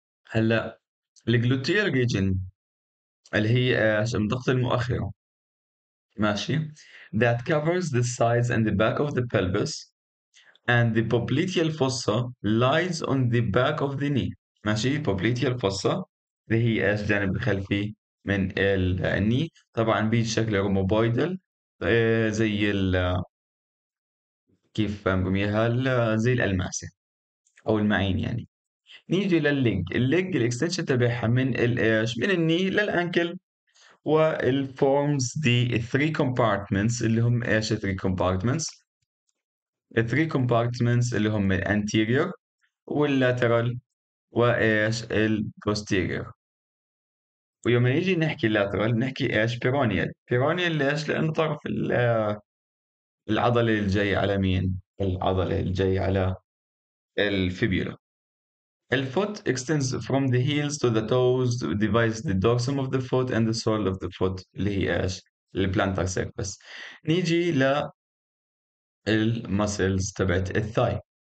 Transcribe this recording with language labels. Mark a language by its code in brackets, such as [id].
[ar] هلا الجلوتير ريجن اللي هي ايش؟ المنطقة المؤخرة، ماشي؟ [en] that covers the sides and the back of the pelvis and the popliteal fossa lies on the back of the knee، [ar] ماشي؟ popliteal fossa اللي هي ايش؟ الجانب الخلفي من الني. طبعا بيجي شكل روموبويدل زي ال كيف فهمكم اياها؟ زي الالماسه او المعين يعني. نيجي للليج. الليج الاكستنشن تبعها من الايش؟ من الني للانكل. والفورمز دي 3 كومبارتمنتس اللي هم ايش؟ 3 كومبارتمنتس، 3 كومبارتمنتس اللي هم الانتيريور واللاترال وايش؟ البوستيريور. ويوم نيجي نحكي اللاترال نحكي ايش؟ بيرونيال. بيرونيال ليش؟ لانه طرف العضله الجاي على مين؟ العضله الجاي على الفيبيولا. [en] الفوت extends from the heels to the toes divides the dorsum of the foot and the sole of the foot [ar] اللي هي ايش؟ البلانتر سيرفس. نيجي ل المسلز تبعت الثاي.